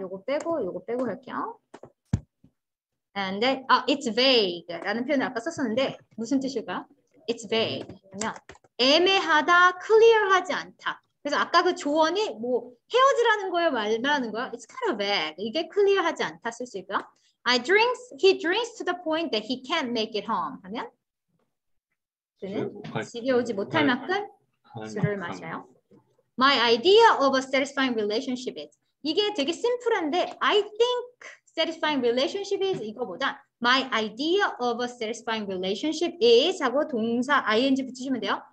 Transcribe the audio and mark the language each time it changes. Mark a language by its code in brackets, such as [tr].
[ko] 요거 빼고 요거 빼고 할게요. [en] And then, it's vague [ko] 라는 표현을 아까 썼었는데 무슨 뜻일까요? [en] It's vague. [ko] 그러면 애매하다, clear 하지 않다. 그래서 아까 그 조언이 뭐 헤어지라는 거예요, 말하는 거예요? [en] It's kind of vague. [ko] 이게 clear 하지 않다 쓸 수 있고요. [en] He drinks to the point that he can't make it home. [ko] 하면 그는 집에 오지 못할 만큼 술을 마셔요. [en] My idea of a satisfying relationship is. [ko] 이게 되게 심플한데 [en] I think satisfying relationship is [ko] 이거보다 [en] My idea of a satisfying relationship is [ko] 하고 동사 ing 붙이시면 돼요.